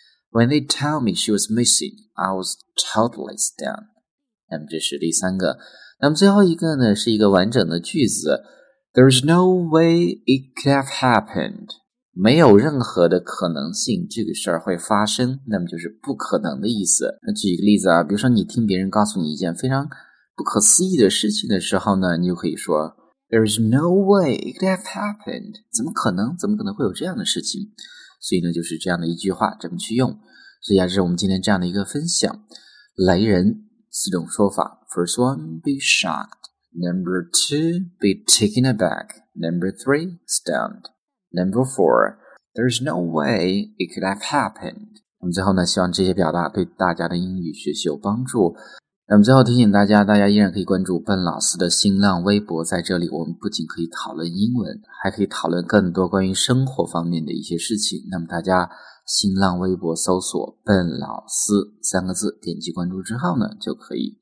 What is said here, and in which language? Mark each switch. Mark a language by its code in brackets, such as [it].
[en] When they tell me she was missing, I was totally stunned. [zh] 那么这是第三个。那么最后一个呢，是一个完整的句子。 [en] There is no way it could have happened. [zh] 没有任何的可能性这个事儿会发生，那么就是不可能的意思。那举一个例子啊，比如说你听别人告诉你一件非常不可思议的事情的时候呢，你就可以说 [en] There is no way it could have happened. [zh] 怎么可能会有这样的事情。所以呢就是这样的一句话怎么去用。所以啊，这是我们今天这样的一个分享，雷人四种说法。 [en] First one, be shocked. Number two, be taken aback. Number three, stunned. Number four, there's no way it could have happened. [zh] 那么最后呢，希望这些表达对大家的英语学习有帮助。那么最后提醒大家，大家依然可以关注笨老师的新浪微博，在这里我们不仅可以讨论英文，还可以讨论更多关于生活方面的一些事情。那么大家新浪微博搜索笨老师三个字，点击关注之后呢，就可以。